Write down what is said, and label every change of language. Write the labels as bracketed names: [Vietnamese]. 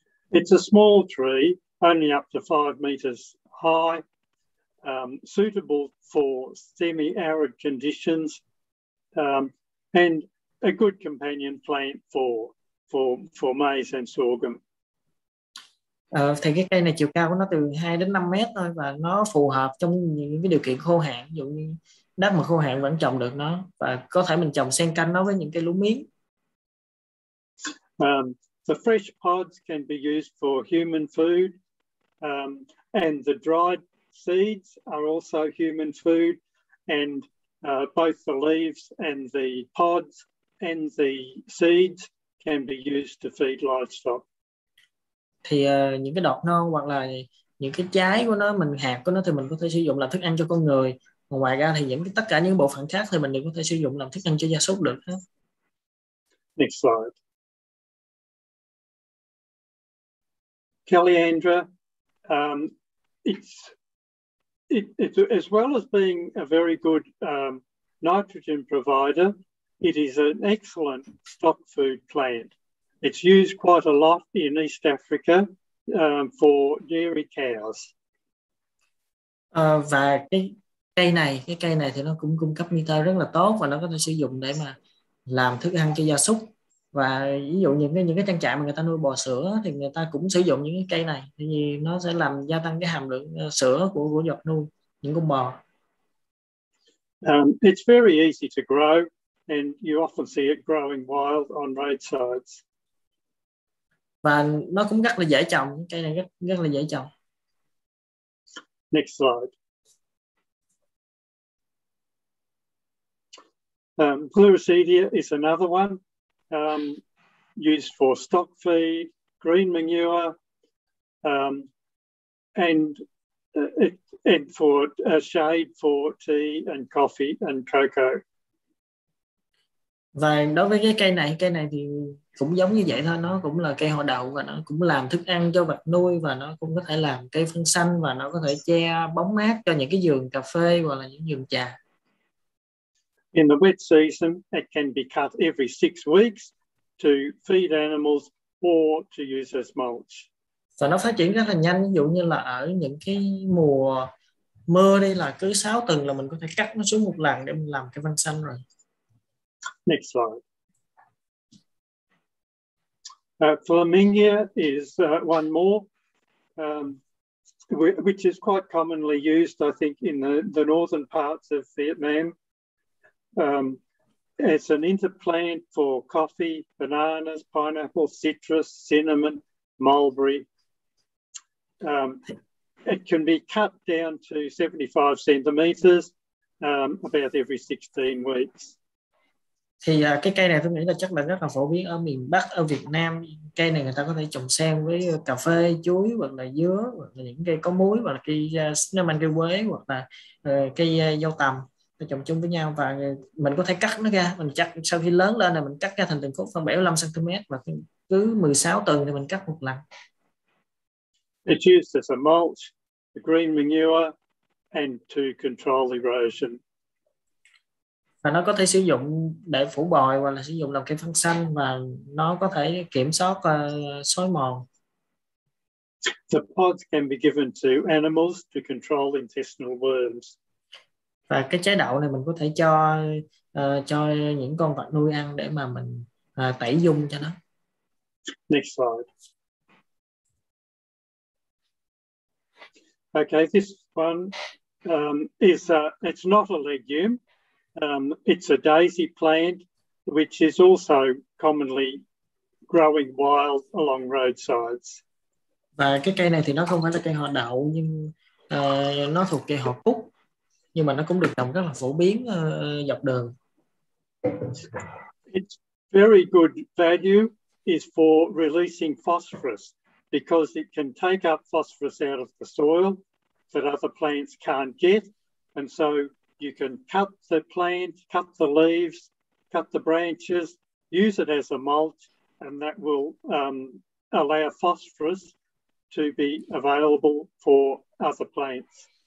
[English] It's a small tree, only up to 5 meters high, suitable for semi-arid conditions, and a good companion plant for maize and sorghum. [Vietnamese] Thì cái cây này chiều cao của nó từ 2 đến 5 mét thôi, và nó phù hợp trong những cái điều kiện khô hạn, ví dụ như đất mà khô hạn vẫn trồng được nó, và có thể mình trồng xen canh nó với những cây lúa miếng. [English] The fresh pods can be used for human food, and the dried seeds are also human food, and both the leaves and the pods and the seeds can be used to feed livestock. [Vietnamese] Thì những cái đọt non hoặc là những cái trái của nó, mình hạt của nó thì mình có thể sử dụng làm thức ăn cho con người. Ngoài ra thì những cái tất cả những bộ phận khác thì mình cũng có thể sử dụng làm thức ăn cho gia súc được. [English] Next slide. Caliandra, it's as well as being a very good nitrogen provider, it is an excellent stock food plant. It's used quite a lot in East Africa for dairy cows. [Vietnamese] Và cái cây này thì nó cũng cung cấp nitơ rất là tốt, và nó có thể sử dụng để mà làm thức ăn cho gia súc. Và ví dụ những cái trang trại mà người ta nuôi bò sữa thì người ta cũng sử dụng những cái cây này, thì nó sẽ làm gia tăng cái hàm lượng sữa của vật nuôi những con bò. [English] It's very easy to grow, and you often see it growing wild on roadsides. [Vietnamese] Và nó cũng rất là dễ trồng, cây này rất là dễ trồng. Next slide. [English] Pleurisedia is another one used for stock feed, green manure, and for shade for tea and coffee and cocoa. [Vietnamese] Và đối với cái cây này thì cũng giống như vậy thôi, nó cũng là cây họ đậu và nó cũng làm thức ăn cho vật nuôi và nó cũng có thể làm cây phân xanh và nó có thể che bóng mát cho những cái vườn cà phê hoặc là những vườn trà. [English] In the wet season, it can be cut every 6 weeks to feed animals or to use as mulch. [Vietnamese] Và nó phát triển rất là nhanh, ví dụ như là ở những cái mùa mưa đi là cứ 6 tuần là mình có thể cắt nó xuống một lần để mình làm cây phân xanh rồi. Next slide. [English] Flaminia is one more, which is quite commonly used, I think, in the northern parts of Vietnam. It's an interplant for coffee, bananas, pineapple, citrus, cinnamon, mulberry. It can be cut down to 75 centimeters about every 16 weeks. [Vietnamese] Thì cái cây này tôi nghĩ là chắc là rất là phổ biến ở miền Bắc, ở Việt Nam. Cây này người ta có thể trồng xen với cà phê, chuối hoặc là dứa hoặc là những cây có muối hoặc là cây cinnamon, cây quế hoặc là cây dâu tằm trồng chung với nhau và mình có thể cắt nó ra, mình chắc sau khi lớn lên là mình cắt ra thành từng khúc khoảng 75 cm và cứ 16 tuần thì mình cắt một lần. [English] It's used as a mulch, a green manure and to control erosion. [Vietnamese] Và nó có thể sử dụng để phủ bồi hoặc là sử dụng làm cây phân xanh và nó có thể kiểm soát xói mòn. [English] The pods can be given to animals to control intestinal worms. [Vietnamese] Và cái trái đậu này mình có thể cho những con vật nuôi ăn để mà mình tẩy dung cho nó. [English] Next slide. Okay, this one it's not a legume. It's a daisy plant, which is also commonly growing wild along roadsides. [Vietnamese] Và cái cây này thì nó không phải là cây họ đậu nhưng nó thuộc cây họ cúc nhưng mà nó cũng được trồng rất là phổ biến dọc đường. [English] Its very good value is for releasing phosphorus because it can take up phosphorus out of the soil that other plants can't get, and so you can cut the plant, cut the leaves, cut the branches, use it as a mulch, and that will allow phosphorus to be available for other plants.